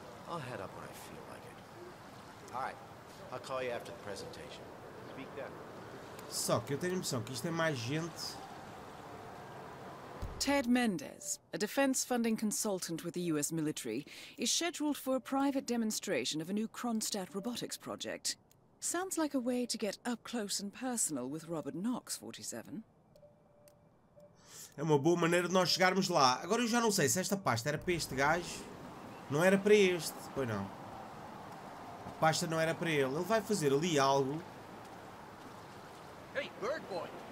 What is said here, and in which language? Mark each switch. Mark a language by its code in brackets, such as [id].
[en] I'll head up when I feel like it. All right, I'll call you after the presentation. Speak then. [pt] Só que eu tenho a impressão que isto é mais gente. [en] Ted Mendez, a defense funding consultant with the US military, is scheduled for a private demonstration of a new Kronstadt robotics project. Sounds like a way to get up close and personal with Robert Knox, 47. [pt] É uma boa maneira de nós chegarmos lá. Agora eu já não sei se esta pasta era para este gajo. Não era para este. Pois não. A pasta não era para ele. Ele vai fazer ali algo. [en] Hey, Bird Boy.